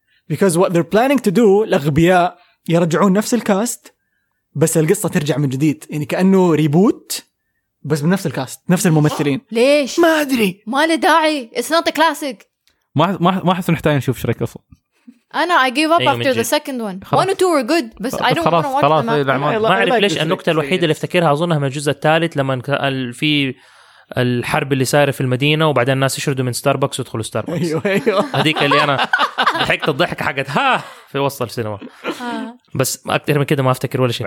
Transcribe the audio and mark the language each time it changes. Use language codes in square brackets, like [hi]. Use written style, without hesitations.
[en] Because what they're planning to do [ar] الأغبياء يرجعون نفس الكاست. بس القصة ترجع من جديد, يعني كأنه ريبوت بس بنفس الكاست نفس الممثلين. ليش ما أدري ما له داعي. [en] It's not a classic. [ar] ما حس نحتاج نشوف شريك أصلا. انا [en] I gave up after the second one. 1 and 2 were good [ar] بس [en] I don't want to watch them. [ar] ما اعرف ليش النكته الوحيده اللي افتكرها اظنها من الجزء الثالث لما في الحرب اللي صايره في المدينه وبعدين الناس يشردوا من ستاربكس ويدخلوا ستاربكس. ايوه هذيك اللي انا ضحكت الضحك حقت ها في وسط السينما. بس اكثر من كده ما افتكر ولا شيء.